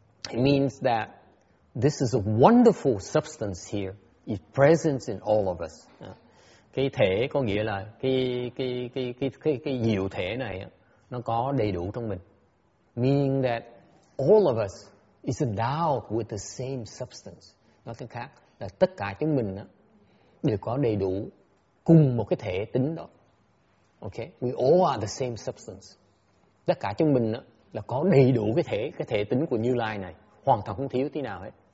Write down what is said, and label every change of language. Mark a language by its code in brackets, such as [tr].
[en] It means that this is a wonderful substance here. It's present in all of us. [vi] Cái thể có nghĩa là cái diệu thể này nó có đầy đủ trong mình. [en] Meaning that all of us is endowed with the same substance. [vi] Nói cách khác là tất cả chúng mình đều có đầy đủ cùng một cái thể tính đó. [en] Okay, we all are the same substance. [vi] Tất cả chúng mình là có đầy đủ cái thể tính của Như Lai này, hoàn toàn không thiếu tí nào hết.